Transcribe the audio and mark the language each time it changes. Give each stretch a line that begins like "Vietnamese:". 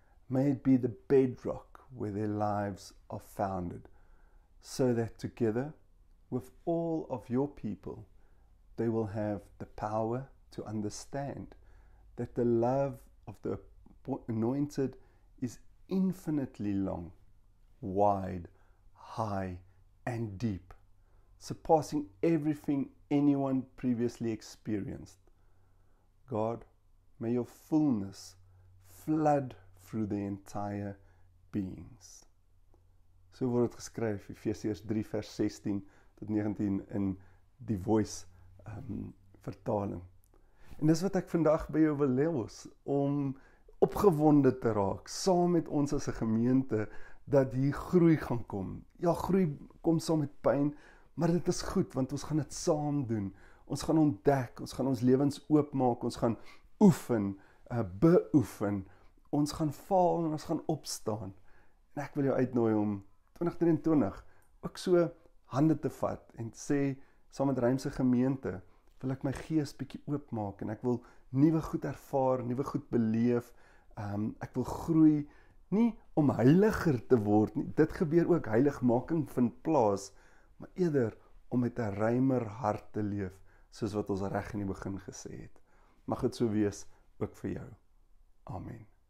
English: May it be the bedrock where their lives are founded, so that together with all of your people, they will have the power to understand that the love of the anointed is infinitely long, wide, high, and deep, surpassing everything anyone previously experienced. God, may your fullness flood through the entire beings.
Afrikaans: So word het geskryf, Efesiërs 3 vers 16 tot 19 in die Voice vertaling. En dis wat ek vandag by jou wil los, om opgewonde te raak, saam met ons as 'n gemeente, dat hier groei gaan kom. Ja, groei kom saam met pyn, maar dit is goed, want ons gaan dit saam doen. Ons gaan ontdek, ons gaan ons lewens oopmaak, ons gaan oefen, beoefen, ons gaan val en ons gaan opstaan. En ek wil jou uitnooi om 2023 ook so hande te vat en te sê, saam met Rymse gemeente wil ek my gees bietjie oopmaak en ek wil nuwe goed ervaar, nuwe goed beleef. Ek wil groei nie om heiliger te word nie. Dit gebeur ook, heiligmaking vind plaas, maar eerder om met 'n ruimer hart te leef, soos wat ons reg in die begin gesê het. Mag dit so wees ook vir jou. Amen.